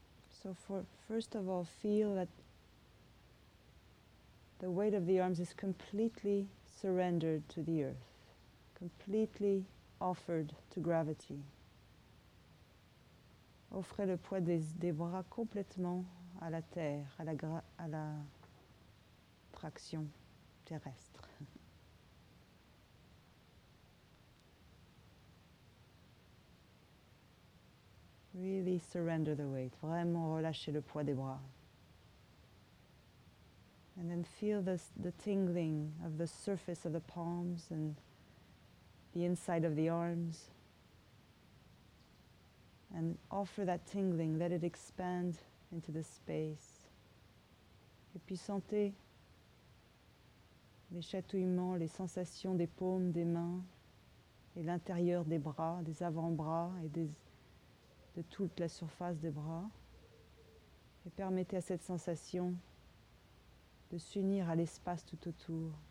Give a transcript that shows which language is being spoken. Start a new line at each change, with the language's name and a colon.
English: So first of all, feel that the weight of the arms is completely surrendered to the earth, completely offered to gravity.
French: Offrez le poids des bras complètement à la terre, à la traction terrestre.
English: Really surrender the weight.
French: Vraiment relâcher le poids des bras.
English: And then feel the tingling of the surface of the palms and the inside of the arms. And offer that tingling, let it expand into the space.
French: Et puis sentez les chatouillements, les sensations des paumes, des mains et l'intérieur des bras, des avant-bras et de toute la surface des bras. Et permettez à cette sensation de s'unir à l'espace tout autour.